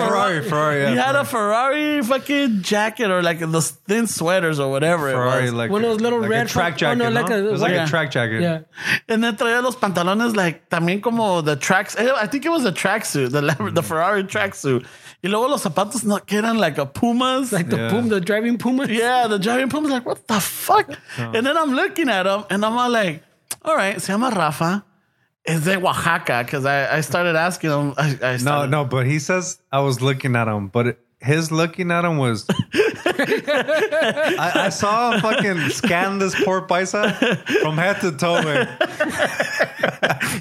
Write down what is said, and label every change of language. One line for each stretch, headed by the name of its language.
English: Oh, Ferrari, yeah. He had a Ferrari fucking jacket or like those thin sweaters or whatever Ferrari, it was. Like one of those little like red track jackets, no? Like a track jacket. Yeah. And then traía los pantalones, like, también como... The tracks. I think it was a tracksuit, the Ferrari tracksuit.
Spanish: Y luego los zapatos no quedan like a Pumas.
English: Like the Puma, the driving Pumas. Yeah, the driving Pumas. Like, what the fuck? Oh. And then I'm looking at them and I'm all like, all right, se llama Rafa. Is it Oaxaca? Because I started asking him. No, but he says I was looking at him, but his looking at him was. I saw him fucking scan this poor paisa from head to toe, man.